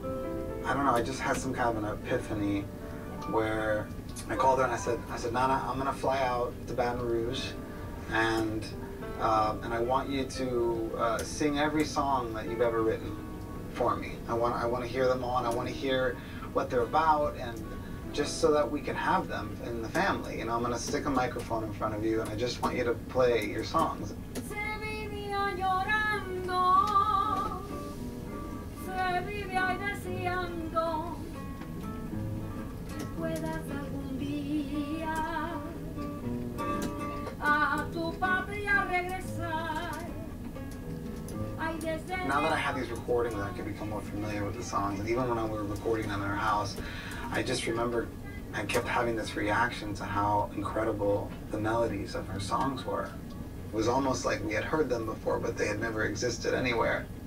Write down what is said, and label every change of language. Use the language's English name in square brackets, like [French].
[English] I don't know, I just had some kind of an epiphany where I called her and I said, Nana, I'm gonna fly out to Baton Rouge and I want you to sing every song that you've ever written for me. I want to hear them all, and I want to hear what they're about, and just so that we can have them in the family. You know, I'm gonna stick a microphone in front of you, and I just want you to play your songs. [Spanish] Se vivía llorando, se vivía deseando que puedas algún día a tu patria regresar. [English] Now that I have these recordings, I can become more familiar with the songs. And even when I were recording them in her house, I just remember I kept having this reaction to how incredible the melodies of her songs were. It was almost like we had heard them before, but they had never existed anywhere.